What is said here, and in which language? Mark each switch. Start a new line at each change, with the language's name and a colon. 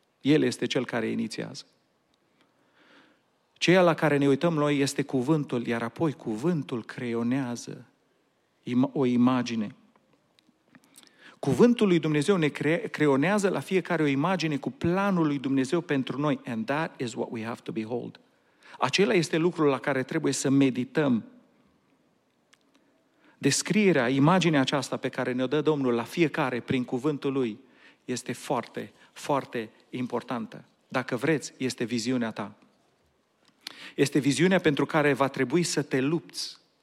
Romanian: El este cel care inițiază. Ceea la care ne uităm noi este cuvântul, iar apoi cuvântul creionează o imagine. Cuvântul lui Dumnezeu ne creionează la fiecare o imagine cu planul lui Dumnezeu pentru noi.
English: And that is what we have to behold.
Romanian: Acela este lucrul la care trebuie să medităm. Descrierea, imaginea aceasta pe care ne-o dă Domnul la fiecare prin cuvântul lui este foarte, foarte importantă. Dacă vreți, este viziunea ta. Este viziunea pentru care va trebui să te lupți.